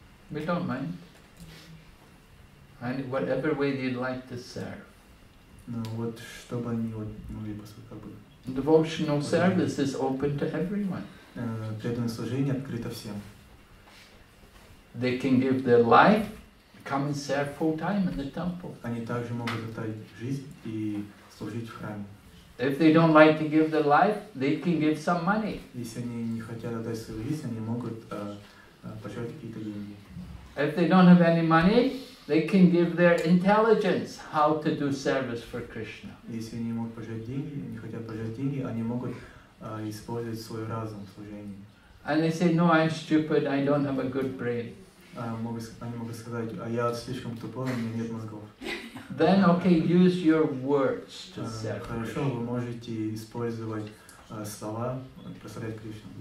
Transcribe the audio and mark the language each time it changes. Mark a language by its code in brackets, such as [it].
[en] We don't mind. And whatever way they'd like to serve. [ru] Ну вот, чтобы они могли поступать. [en] Devotional service is open to everyone. [ru] Преданное служение открыто всем. [en] They can give their life, come and serve full time in the temple. [ru] Они также могут отдать жизнь и служить в храме. [en] If they don't like to give their life, they can give some money. [ru] Если они не хотят отдать свою жизнь, они могут пожертвовать какие-то деньги. [en] If they don't have any money, they can give their intelligence how to do service for Krishna. [ru] Если они могут пожертвовать деньги, не хотят пожертвовать деньги, они могут использовать свой разум в служении. [en] And they say, no, I'm stupid, I don't have a good brain. [ru] Они могут сказать, а я слишком тупой, у меня нет мозгов. [en] Then, okay, use your words to serve. [ru] Хорошо, вы можете использовать слова, прославлять Кришну.